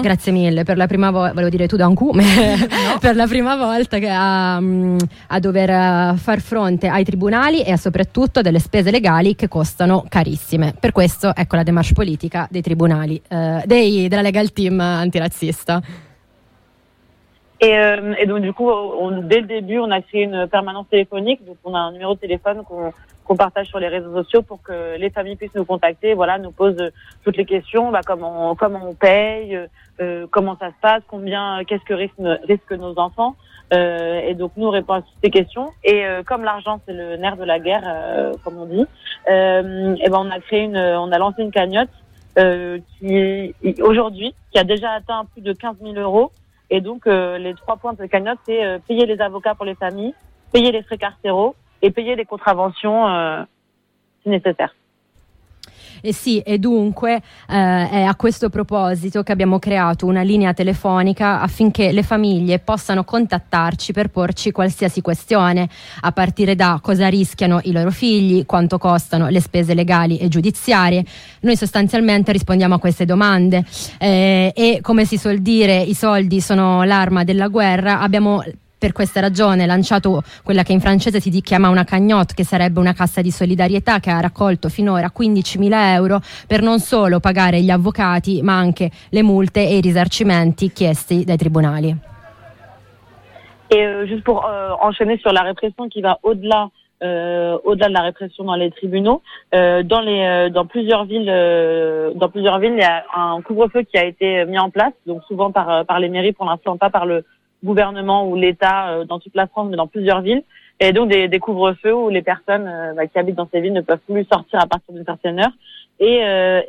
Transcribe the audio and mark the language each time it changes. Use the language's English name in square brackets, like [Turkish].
[Italian] Grazie mille, per la prima volta, volevo dire tu da un cume, no. Per la prima volta che a dover far fronte ai tribunali e soprattutto delle spese legali che costano carissime. Per questo ecco la démarche politica dei tribunali, della legal team antirazzista. [French] Et donc du coup, dès le début, on a créé une permanence téléphonique. Donc on a un numéro de téléphone qu'on partage sur les réseaux sociaux pour que les familles puissent nous contacter. Voilà, nous posent toutes les questions. Comment on paye, comment ça se passe, qu'est-ce que risquent nos enfants. Et donc nous répondons à toutes ces questions. Et comme l'argent c'est le nerf de la guerre, comme on dit, on a lancé une cagnotte qui a déjà atteint plus de 15 000 euros. Et donc, les trois points de cagnotte, c'est payer les avocats pour les familles, payer les frais carcéraux et payer les contraventions si nécessaire. [Italian] Eh sì, e dunque è a questo proposito che abbiamo creato una linea telefonica affinché le famiglie possano contattarci per porci qualsiasi questione, a partire da cosa rischiano i loro figli, quanto costano le spese legali e giudiziarie. Noi sostanzialmente rispondiamo a queste domande e, come si suol dire, i soldi sono l'arma della guerra. Abbiamo per questa ragione lanciato quella che in francese si chiama una cagnotte, che sarebbe una cassa di solidarietà, che ha raccolto finora 15.000 euro per non solo pagare gli avvocati ma anche le multe e i risarcimenti chiesti dai tribunali. [French] Et juste pour enchaîner sur la répression qui va au-delà de la répression dans les tribunaux, dans plusieurs villes, il y a un couvre-feu qui a été mis en place, donc souvent par les mairies, pour l'instant pas par le gouvernement ou l'État dans toute la France, mais dans plusieurs villes, et donc des couvre-feux où les personnes qui habitent dans ces villes ne peuvent plus sortir à partir d'une certaine heure.